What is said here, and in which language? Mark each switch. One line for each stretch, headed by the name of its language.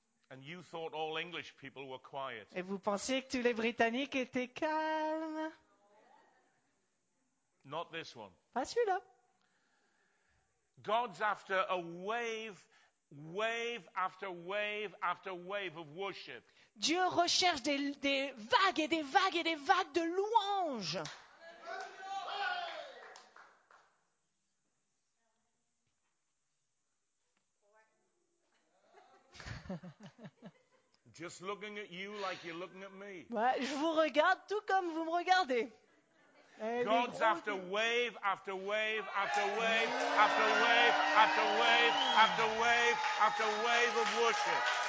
English: And you thought all English people were quiet.
French: Et vous pensiez que tous les Britanniques étaient calmes.
English: Not this one.
French: Pas celui-là.
English: God's after a wave, wave after wave after wave of worship.
French: Dieu recherche des vagues et des vagues et des vagues de louanges.
English: Just looking at you like you're looking at me.
French: Ouais, je vous regarde tout comme vous me regardez.
English: God's after wave after wave after wave after wave after wave after wave after wave of worship.